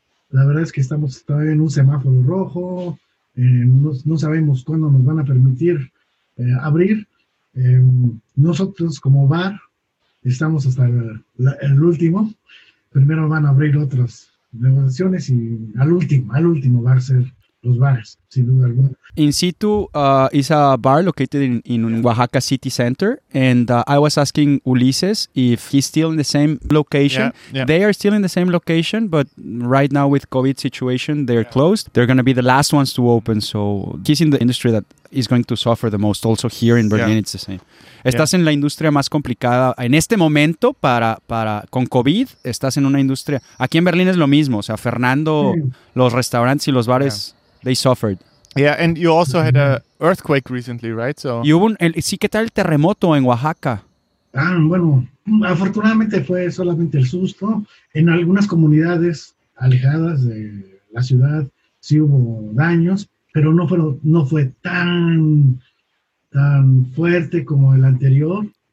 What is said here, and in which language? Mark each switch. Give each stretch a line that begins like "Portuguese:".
Spanish: La verdad es que estamos todavía en un semáforo rojo. No sabemos cuándo nos van a permitir abrir. Nosotros como bar... estamos hasta el último. Primero van a abrir otras negociaciones y al último va a ser los bares, sin duda alguna.
English: In situ is a bar located in Oaxaca City Center. And I was asking Ulises if he's still in the same location. Yeah, yeah. They are still in the same location, but right now with COVID situation, they're closed. They're going to be the last ones to open. So he's in the industry that is going to suffer the most. Also here in Berlin, it's the same.
Spanish: Estás en la industria más complicada en este momento para con COVID. Estás en una industria... Aquí en Berlín es lo mismo. O sea, Fernando, los restaurantes y los bares,
English: they suffered. Yeah, and you also had an earthquake recently, right? So.
Spanish: Y hubo ¿qué tal el terremoto en Oaxaca? Ah, bueno, afortunadamente fue solamente el susto. En algunas comunidades alejadas de la ciudad sí hubo daños, pero no fue tan fuerte como el anterior.